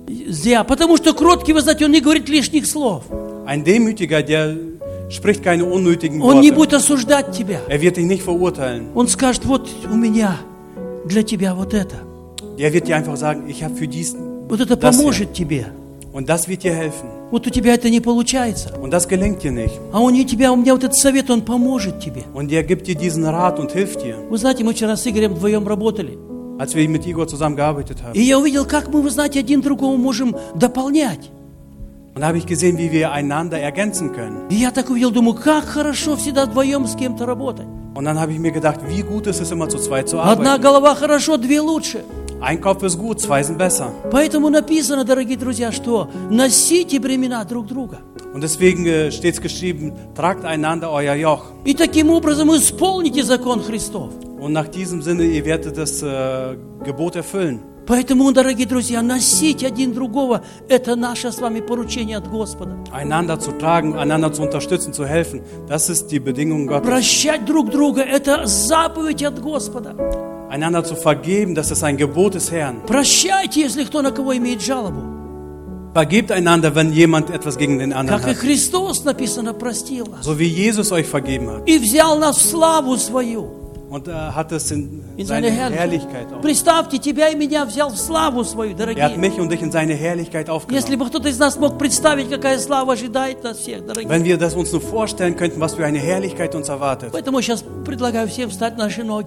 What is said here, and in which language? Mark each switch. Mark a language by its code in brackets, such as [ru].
[ru] Ja, потому что кроткий, вы знаете, он не говорит лишних слов. [de] Ein Demütiger, der spricht keine unnötigen [ru] он [de] Worte. [ru] Не будет осуждать тебя. [de] Er wird dich nicht verurteilen. [ru] Он скажет, вот у меня для тебя вот это. [de] Er wird dir einfach sagen, ich habe für diesen [ru] вот это поможет [de] hier. [ru] Тебе. [de] Und das wird dir helfen. [ru] Вот у тебя это не получается. [de] Und das gelingt dir nicht. [ru] А он не тебя, у меня вот этот совет, он поможет тебе. [de] Und er gibt dir diesen Rat und hilft dir. [ru] Вы знаете, мы вчера с Игорем вдвоем работали. [de] Als wir mit Igor zusammen gearbeitet haben. [ru] И я увидел, как мы, вы знаете, один другого можем дополнять. [de] Und da habe ich gesehen, wie wir einander ergänzen können. [ru] И я так увидел, думаю, как хорошо всегда вдвоем с кем-то работать. [de] Und dann habe ich mir gedacht, wie gut ist es immer zu zweit zu [ru] одна [de] arbeiten. [ru] Одна голова хорошо, две лучше. [de] Ein Kopf ist gut, zwei sind besser. [ru] Поэтому написано, дорогие друзья, что носите бремена друг друга. [de] Und deswegen steht's geschrieben, tragt einander euer Joch. [ru] И таким образом исполните закон Христов. [de] Und nach diesem Sinne, ihr werdet das Gebot erfüllen. [ru] Поэтому, дорогие друзья, носить один другого, это наше с вами поручение от Господа. [de] Einander zu tragen, einander zu unterstützen, zu helfen, das ist die Bedingung Gottes. [ru] Прощать друг друга, это заповедь от Господа. [de] Einander zu vergeben, das ist ein Gebot des Herrn. [ru] Прощайте, если кто на кого имеет жалобу. [de] Vergebt einander, wenn jemand etwas gegen den anderen [ru] как [de] hat. [ru] Как и Христос написано простил вас. [de] So wie Jesus euch vergeben hat. [ru] И взял нас в славу свою. [de] Und hat es in seine Herrlichkeit auf. [ru] Представьте, тебя и меня взял в славу свою, дорогие. [de] Er hat mich und dich in seine Herrlichkeit aufgenommen. [ru] Если бы кто-то из нас мог представить, какая слава ожидает нас всех, дорогие. [de] Wenn wir das uns nur vorstellen könnten, was für eine Herrlichkeit uns erwartet. [ru] Поэтому сейчас предлагаю всем встать на наши ноги.